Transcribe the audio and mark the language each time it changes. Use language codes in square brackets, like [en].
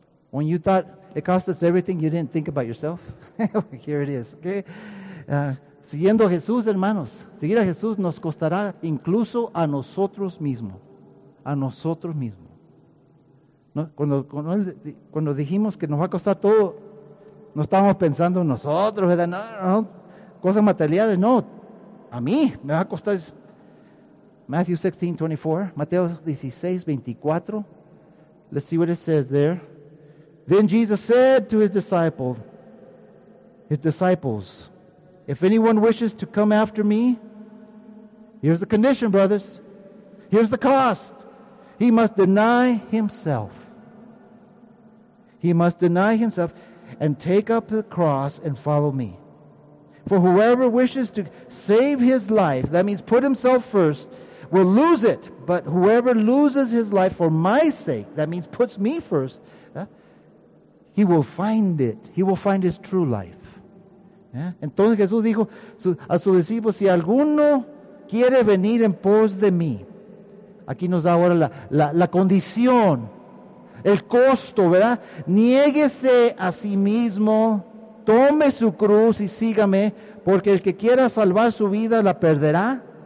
[en] When you thought it cost us everything, you didn't think about yourself. Here it is, okay? [es] Siguiendo a Jesús, hermanos, seguir a Jesús nos costará incluso a nosotros mismos. A nosotros mismos. Cuando dijimos que nos va a costar todo, no estábamos pensando en nosotros, ¿verdad? No, cosas materiales, no. A mí me va a costar. [en] Matthew 16:24, Mateo 16:24. Let's see what it says there. Then Jesus said to his disciples, if anyone wishes to come after me, here's the condition, brothers. Here's the cost. He must deny himself. He must deny himself and take up the cross and follow me. For whoever wishes to save his life, that means put himself first, will lose it. But whoever loses his life for my sake, that means puts me first, he will find it. He will find his true life. Yeah? [es] Entonces Jesús dijo a sus discípulos, si alguno quiere venir en pos de mí, aquí nos da ahora la condición. El costo, ¿verdad? Niéguese a sí mismo, tome su cruz y sígame, porque el que quiera salvar su vida la perderá.